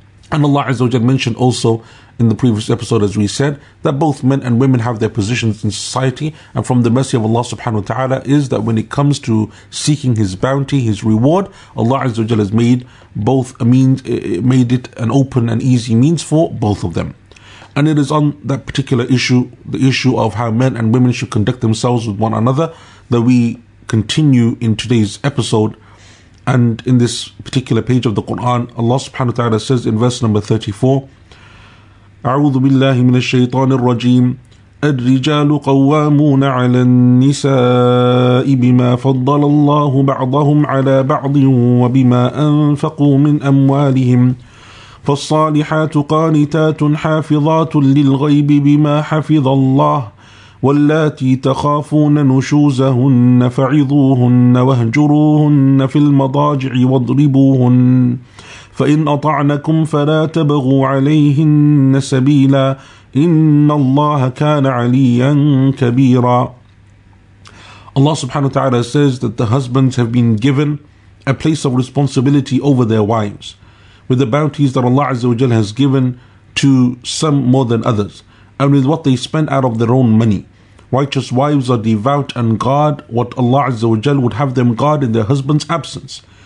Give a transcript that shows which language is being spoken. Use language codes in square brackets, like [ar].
[en] And Allah Azza wa Jal mentioned also in the previous episode, as we said, that both men and women have their positions in society, and from the mercy of Allah subhanahu wa ta'ala is that when it comes to seeking His bounty, His reward, Allah Azza wa Jal has made both a means, made it an open and easy means for both of them. And it is on that particular issue, the issue of how men and women should conduct themselves with one another, that we continue in today's episode. And in this particular page of the Quran, Allah subhanahu wa ta'ala says in verse number 34, [ar] أعوذ بالله من الشيطان الرجيم الرجال قوامون على النساء بما فضل الله بعضهم على بعض وبما أنفقوا من أموالهم فالصالحات قانتات حافظات للغيب بما حفظ الله واللاتي تخافون نشوزهن فعظوهن واهجروهن في المضاجع واضربوهن فإن أطعنكم فلا تبغوا عليهن سبيلا إن الله كان عليا كبيرا. [en] Allah subhanahu wa ta'ala says that the husbands have been given a place of responsibility over their wives, with the bounties that Allah Azza wa Jal has given to some more than others, and with what they spend out of their own money. Righteous wives are devout and guard what Allah Azza wa Jal would have them guard in their husband's absence.